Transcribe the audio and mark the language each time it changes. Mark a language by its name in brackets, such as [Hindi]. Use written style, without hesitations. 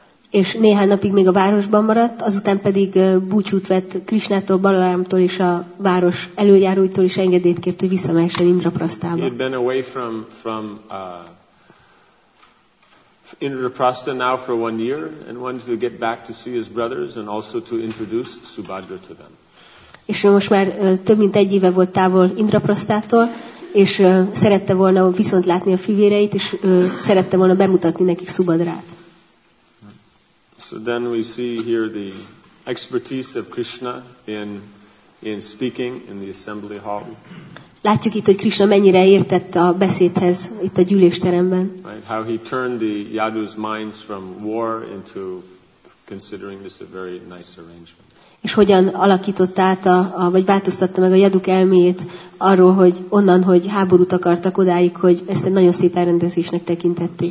[Hungarian] És néhány napig még a városban maradt, azután pedig búcsút vett Krishnától, Balaramtól és a város előjáróitól is engedélyt kért, hogy visszamehessen Indraprasthába. [English] He had been away from Indraprastha now for one year and wanted to get back to see his brothers and also to introduce Subhadra to them. [Hungarian] És most már több mint egy éve volt távol Indraprasthától, és szerette volna viszont látni a fivéreit, és szerette volna bemutatni nekik Subhadrát. [English] So then we see here the expertise of Krishna in speaking in the assembly hall. [Hungarian] Látjuk itt, hogy Krishna mennyire értett a beszédhez itt a gyűlésteremben. [English] Right, how he turned the Yadus' minds from war into considering this a very nice arrangement. [Hungarian] És hogyan alakított át, vagy változtatta meg a Yaduk elméjét arról, hogy onnan, hogy háborút akartak odáig, hogy ezt egy nagyon szép elrendezésnek tekintették.